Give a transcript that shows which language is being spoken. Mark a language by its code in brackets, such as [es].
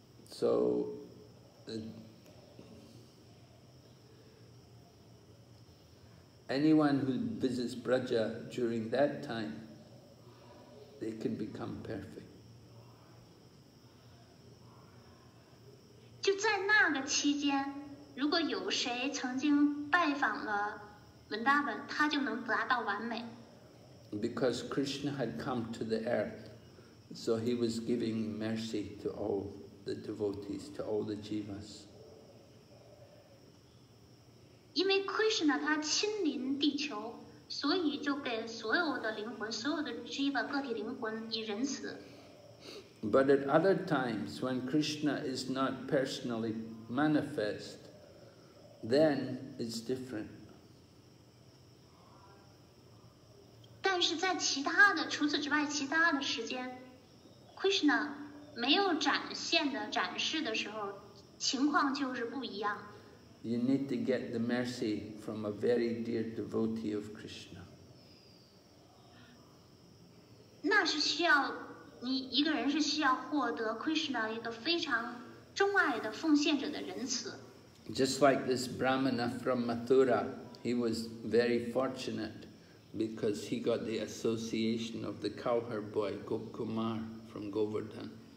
[en] So, anyone who visits Braja during that time, they can become perfect. [zh] 就在那个期间，如果有谁曾经拜访了文达本，他就能达到完美。 [en] Because Krishna had come to the earth, so he was giving mercy to all the devotees, to all the jivas. [zh] 因为 Krishna 他亲临地球，所以就给所有的灵魂，所有的 jiva 个体灵魂以仁慈。 [en] But at other times, when Krishna is not personally manifest, then it's different. [zh] 但是在其他的，除此之外，其他的时间 ，Krishna 没有展示的时候，情况就是不一样。 [en] You need to get the mercy from a very dear devotee of Krishna. [zh] 那是需要。你一个人是需要获得 Krishna 一个非常钟爱的奉献者的仁慈。 [en] Just like this Brahmana from Mathura, he was very fortunate because he got the association of the cowherd boy Gop Kumar from Govardhan.